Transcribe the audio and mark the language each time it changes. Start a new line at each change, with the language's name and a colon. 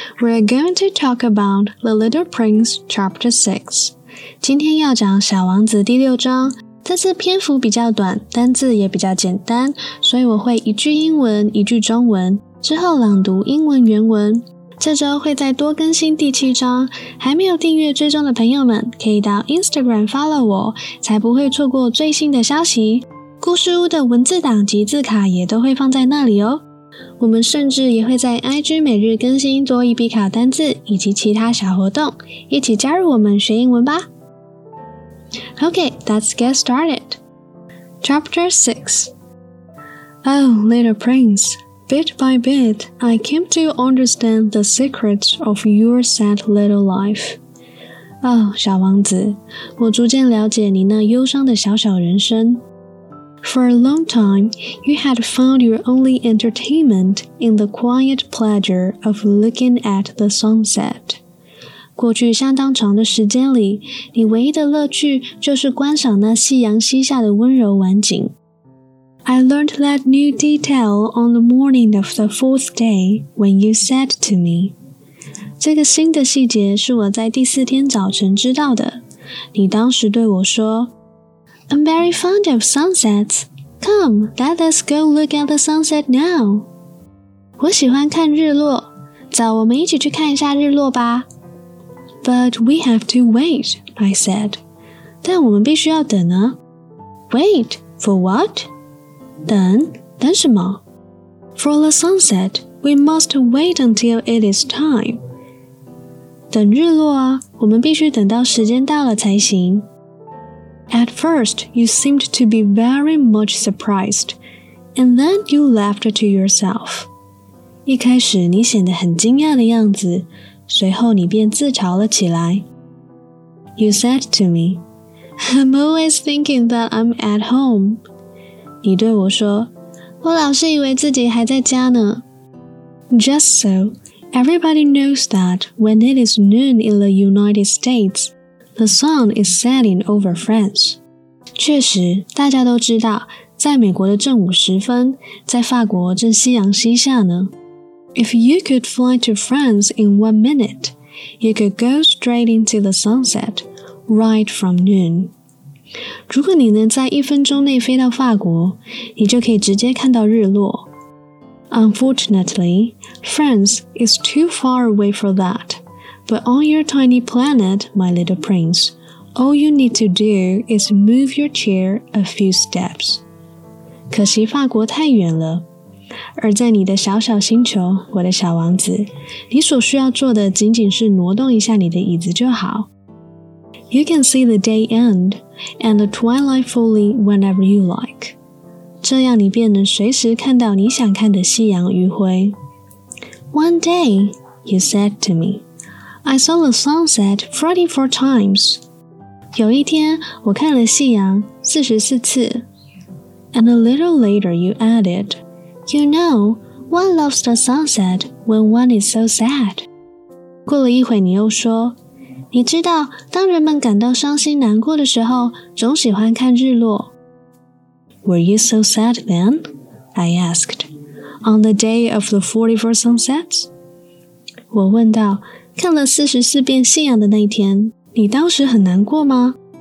English: We're going to talk about The Little Prince, Chapter 6.
Chinese: 今天要讲小王子第六章，但是篇幅比较短，单字也比较简单，所以我会一句英文，一句中文，之后朗读英文原文。这周会再多更新第七章，还没有订阅追踪的朋友们可以到 Instagram follow 我，才不会错过最新的消息。故事屋的文字档及字卡也都会放在那里哦。我们甚至也会在 IG 每日更新多益必考单字以及其他小活动，一起加入我们学英文吧。
English: Okay, let's get started. Chapter 6. Oh, little prince,Bit by bit, I came to understand the secrets of your sad little life.
Chinese: Oh, 小王子，我逐渐了解你那忧伤的小小人生。
English: For a long time, you had found your only entertainment in the quiet pleasure of looking at the sunset.
Chinese: 过去相当长的时间里，你唯一的乐趣就是观赏那夕阳西下的温柔晚景。
English: I learned that new detail on the morning of the fourth day when you said to me.
Chinese: 这个新的细节是我在第四天早晨知道的。你当时对我说
English: I'm very fond of sunsets. Come, let us go look at the sunset now.
Chinese: 我喜欢看日落。走，我们一起去看一下日落吧。
English: But we have to wait, I said.
Chinese: 但我们必须要等啊。
English: Wait, for what?
Chinese: 等，等什么
English: ？For the sunset, we must wait until it is time.
Chinese: 等日落啊，我们必须等到时间到了才行。
English: At first, you seemed to be very much surprised, and then you laughed to yourself.
Chinese: 一开始你显得很惊讶的样子，随后你便自嘲了起来。
English: You said to me, "I'm always thinking that I'm at home."
Chinese: 你对我说，我老是以为自己还在家呢。
English: Just so, everybody knows that when it is noon in the United States, the sun is setting over France.
Chinese: 确实，大家都知道，在美国的正午时分，在法国正夕阳西下呢。
English: If you could fly to France in 1 minute, you could go straight into the sunset, right from noon.
Chinese: 如果你能在一分钟内飞到法国，你就可以直接看到日落。
English: Unfortunately, France is too far away for that. But on your tiny planet, my little prince, all you need to do is move your chair a few steps.
Chinese: 可惜法国太远了。而在你的小小星球，我的小王子，你所需要做的仅仅是挪动一下你的椅子就好。
English: You can see the day end and the twilight falling whenever you like.
Chinese: 这样你便能随时看到你想看的夕阳余晖。
English: One day, you said to me, I saw the sunset 44 times.
Chinese: 有一天我看了夕阳44次。
English: And a little later you added, You know, one loves the sunset when one is so sad.
Chinese: 过了一会你又说你知道，当人们感到伤心难过的时候，总喜欢看日落。
English: Were you so sad then? I asked. On the day of the 44 sunsets?
Chinese: 我问道，看了44遍夕阳的那天，你当时很难过吗？